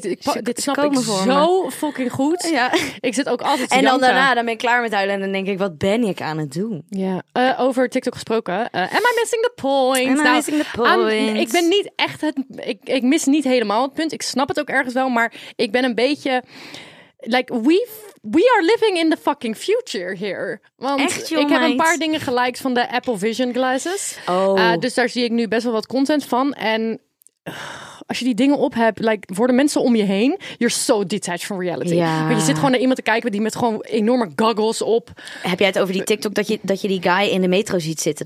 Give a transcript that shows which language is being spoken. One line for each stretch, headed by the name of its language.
Dutch: Dit snap ik fucking goed. Ja. Ik zit ook altijd te janken. En dan daarna, dan ben ik klaar met huilen. En dan denk ik, wat ben ik aan het doen? Ja, over TikTok gesproken.
English: Am I missing the point?
Dutch: Ik ben niet echt het. Ik mis niet helemaal het punt. Ik snap het ook ergens wel, maar ik ben een beetje.
English: Like, we are living in the fucking future here.
Dutch: Want echt, joh, ik heb een paar dingen geliked van de Apple Vision Glasses. Oh. Dus daar zie ik nu best wel wat content van. En als je die dingen op hebt, like, voor de mensen om je heen,
English: you're so detached from reality.
Dutch: Ja. Maar je zit gewoon naar iemand te kijken die met gewoon enorme goggles op. Heb jij het over die TikTok dat je die guy in de metro ziet zitten?